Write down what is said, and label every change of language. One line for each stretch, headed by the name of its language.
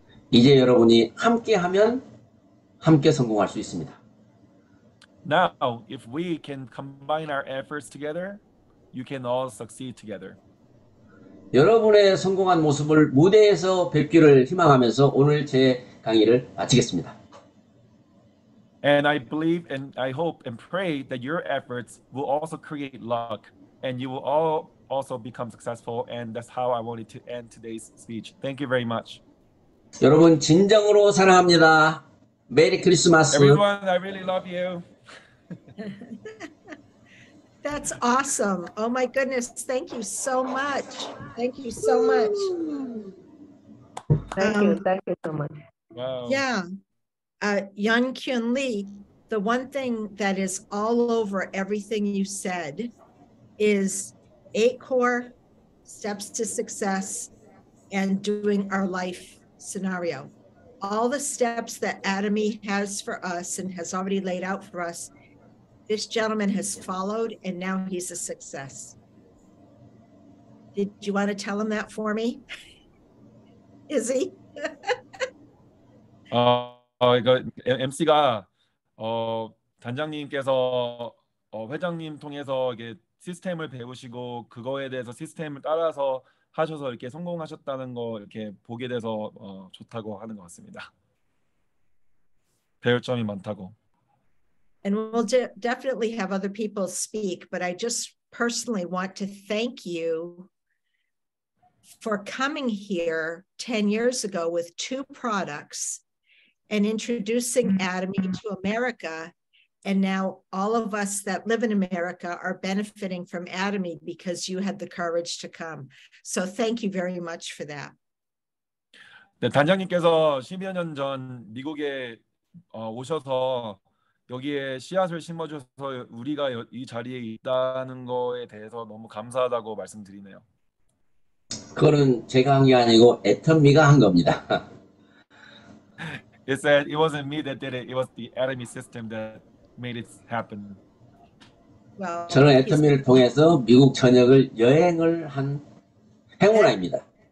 Korean: 이제 여러분이 함께 하면 함께 성공할 수 있습니다.
English: Now, if we can combine our efforts together, you can all succeed together.
Korean: 여러분의 성공한 모습을 무대에서 뵙기를 희망하면서 오늘 제 강의를 마치겠습니다.
English: And I believe and I hope and pray that your efforts will also create luck and you will all also become successful and that's how I wanted to end today's speech. Thank you very much.
Korean: 여러분 진정으로 사랑합니다.
English: 메리 크리스마스. Everyone, I really love you. That's awesome. Oh my goodness. Thank you so much. Thank you so much. Thank you so much. Wow. Yeah. Yongkyun Lee, the one thing that is all over everything you said is 8 core steps to success and doing our life scenario. All the steps that Atomy has for us and has already laid out for us, this gentleman has followed and now he's a success. Did you want to tell him that for me? Is he?
Korean: 이거 MC가 단장님께서 회장님 통해서 이게 시스템을 배우시고 그거에 대해서 시스템을 따라서 하셔서 이렇게 성공하셨다는 거 이렇게 보게 돼서 좋다고 하는 것 같습니다. 배울 점이 많다고.
English: And we'll definitely have other people speak, but I just personally want to thank you for coming here 10 years ago with two products and introducing Atomy to America. And now all of us that live in America are benefiting from Atomy because you had the courage to come. So thank you very much for that.
Korean: 네, 단장님께서 10여 년 전 미국에 오셔서 여기에 씨앗을 심어줘서 우리가 이 자리에 있다는 거에 대해서 너무 감사하다고 말씀드리네요. 그거는 제가 한 게 아니고 애터미가 한 겁니다.
English: It said it wasn't me that did it. It was the Atomy system that made it happen. Well,
Korean: 저는 애터미를 통해서 미국 전역을 여행을 한 행운아입니다.